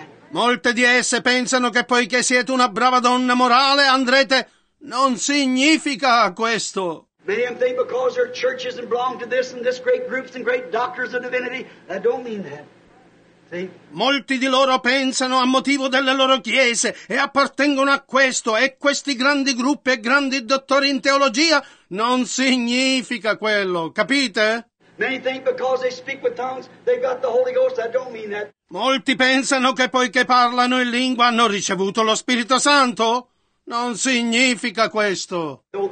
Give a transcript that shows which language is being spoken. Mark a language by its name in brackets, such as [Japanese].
[Italian] Molte di esse pensano che poiché siete una brava donna morale andrete. Non significa questo. [English] Many of them think because their churches and belong to this and this great groups and great doctors of divinity, I don't mean that. See? [Italian] Molti di loro pensano a motivo delle loro chiese e appartengono a questo e questi grandi gruppi e grandi dottori in teologia, non significa quello, capite? [English] Many think because they speak with tongues, they've got the Holy Ghost, I don't mean that. [Italian] Molti pensano che poiché parlano in lingua hanno ricevuto lo Spirito Santo. Non significa questo.